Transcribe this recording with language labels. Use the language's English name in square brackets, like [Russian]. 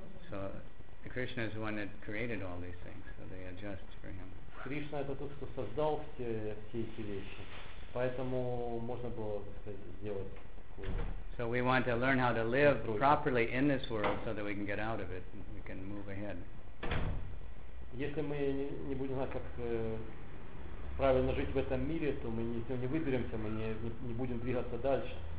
[English] So Krishna is the one that created all these things, so they adjust for him. [Russian] Кришна это тот, кто создал все эти вещи. Поэтому можно было, так сказать, сделать такое. [English] So we want to learn how to live properly in this world so that we can get out of it and we can move ahead. [Russian] Если мы не будем знать, как правильно жить в этом мире, то мы из него не выберемся, мы не будем двигаться дальше.